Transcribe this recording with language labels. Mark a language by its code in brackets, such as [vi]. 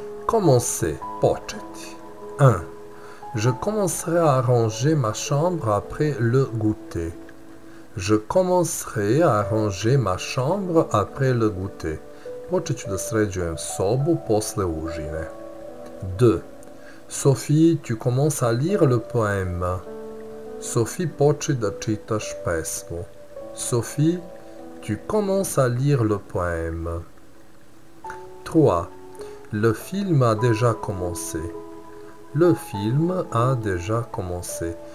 [fr] Commencer, početi. 1. Je commencerai à ranger ma chambre après le goûter. Je commencerai à ranger ma chambre après le goûter. [sr] Počet ću da sređujem sobu posle užine. [fr] 2. Sophie, tu commences à lire le poème. [sr] Sophie, počet da čitaš pesmu. [fr] Sophie, tu commences à lire le poème. 3. Le film a déjà commencé. Le film a déjà commencé.